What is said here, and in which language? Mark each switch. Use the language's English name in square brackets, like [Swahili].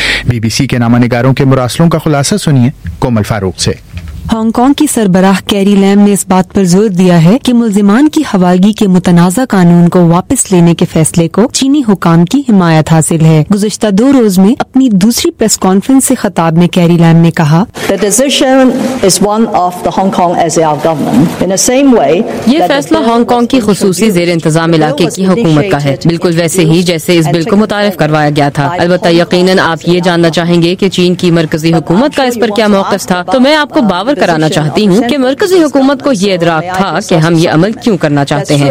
[Urdu] Be B C کے نامہ نگاروں کے مراسلوں کا خلاصہ سنیے کومل فاروق سے. ہانگ کانگ کی سربراہ کیری لیم نے اس بات پر زور دیا ہے کہ ملزمان کی حوالگی کے متنازع قانون کو واپس لینے کے فیصلے کو چینی حکام کی حمایت حاصل ہے. گزشتہ دو روز میں اپنی دوسری پریس کانفرنس سے خطاب میں کیری لیم نے کہا, [English] The decision is one of the Hong Kong SAR government. In the same way, [Urdu] یہ فیصلہ ہانگ کانگ کی خصوصی زیر انتظام علاقے کی حکومت کا ہے, بالکل ویسے ہی جیسے اس بل کو متعارف کروایا گیا تھا. البتہ یقیناً آپ یہ جاننا چاہیں گے کہ چین کی مرکزی حکومت کا اس پر کیا موقف تھا, تو میں آپ کو باور کرانا چاہتی ہوں کہ مرکزی حکومت کو یہ ادراک تھا کہ ہم یہ عمل کیوں کرنا چاہتے ہیں.